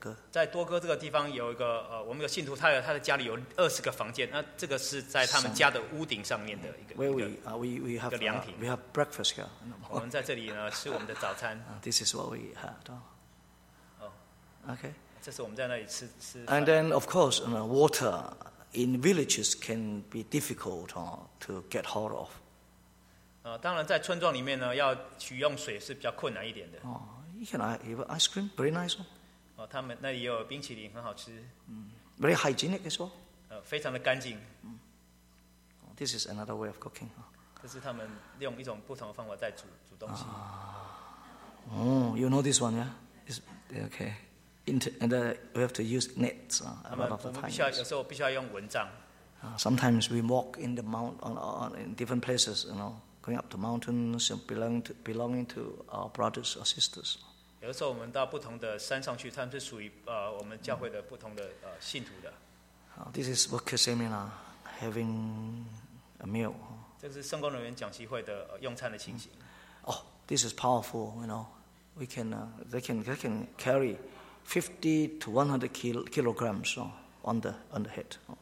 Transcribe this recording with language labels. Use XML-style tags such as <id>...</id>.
<zh>在多哥这个地方有一个我们有信徒，他的家里有20个房间，那这个是在他们家的屋顶上面的一个凉亭。</zh> <en>We have breakfast here.</en> <zh>我们在这里呢吃我们的早餐。</zh> <en>This is what we had. Okay.</en> <zh>这是我们在那里吃。</zh> <en>And then of course, you know, water in villages can be difficult to get hold of.</en> <zh>当然在村庄里面呢，要取用水是比较困难一点的。</zh> <en>You can have ice cream, very nice one.</en> <zh>他们那里有冰淇淋，很好吃。</zh> <en>Very hygienic as well.</en> <zh>非常的干净。</zh> <en>This is another way of cooking.</en> <zh>这是他们用一种不同的方法在煮东西。</zh> <en>Oh, you know this one, yeah? It's okay. And we have to use nets a lot of the times. Sometimes we walk in the mountain in different places, you know, going up the mountains and belonging to our brothers or sisters. This is worker seminar, having a meal.</en> <zh>这是圣工人员讲习会的用餐的情形。</zh> <en>Oh, this is powerful, you know. We can, they can carry 50 to 100 kilograms on the head.</en>